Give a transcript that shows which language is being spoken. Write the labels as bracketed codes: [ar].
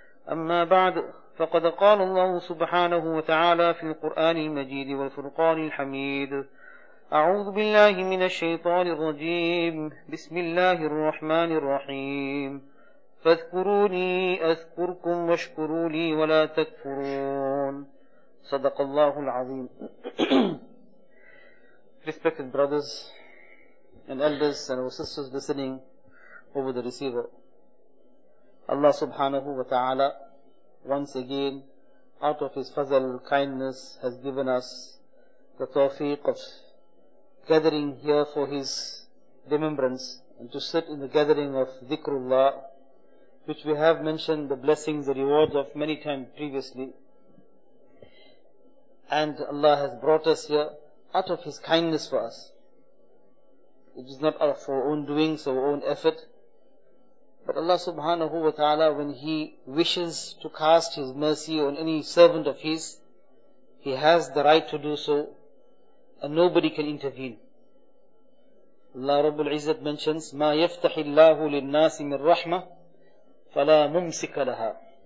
[ar] أما بعد، فقد قال الله سبحانه وتعالى في القرآن المجيد والفرقان الحميد: أعوذ بالله من الشيطان الرجيم، بسم الله الرحمن الرحيم، فاذكروني أذكركم واشكروا لي ولا تكفرون. صدق الله العظيم. [en] Respected brothers and elders and our sisters listening over the receiver, Allah subhanahu wa ta'ala once again out of His fazal kindness has given us the tawfiq of gathering here for His remembrance and to sit in the gathering of Dhikrullah, which we have mentioned the blessings, the rewards of many times previously. And Allah has brought us here out of His kindness for us. It is not out of our own doings, our own effort. But Allah subhanahu wa ta'ala, when He wishes to cast His mercy on any servant of His, He has the right to do so, and nobody can intervene. Allah Rabbul Izzat mentions, [ar] مَا يَفْتَحِ اللَّهُ لِلنَّاسِ مِنْ رَحْمَةِ فَلَا مُمْسِكَ لَهَا.